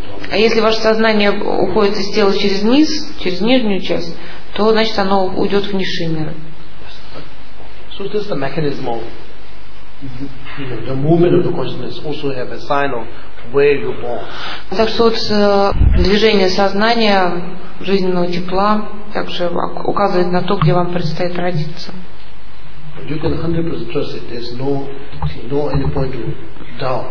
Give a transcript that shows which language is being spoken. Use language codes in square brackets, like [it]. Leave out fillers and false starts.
[ru] А если ваше сознание уходит из тела через низ, через нижнюю часть, то значит оно уйдет в низшие миры. [en] So this is the mechanism of the movement of the consciousness also have a sign of where you born. [ru] Так что вот движение сознания жизненного тепла также указывает на то, где вам предстоит родиться. [en] You can 100% trust it. There's no any point to doubt.